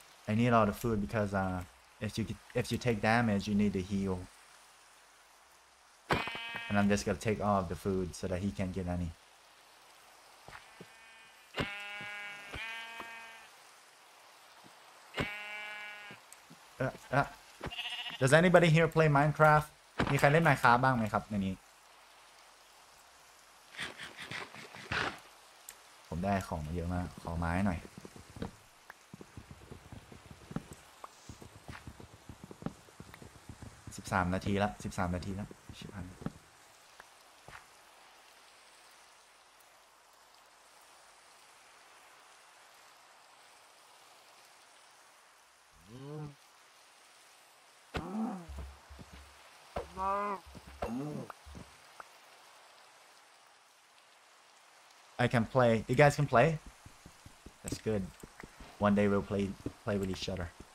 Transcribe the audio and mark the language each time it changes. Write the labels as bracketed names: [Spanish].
[English] I need all the food because if you take damage you need to heal and I'm just gonna take all of the food so that he can't get any Does anybody here play Minecraft? [Thai] มีใครเล่นไมค้าบ้างไหมครับในนี้ผมได้ของเยอะมากขอไม้หน่อย สิบสามนาทีแล้วชิบหาย [English] I can play. You guys can play? That's good. One day we'll play with each other.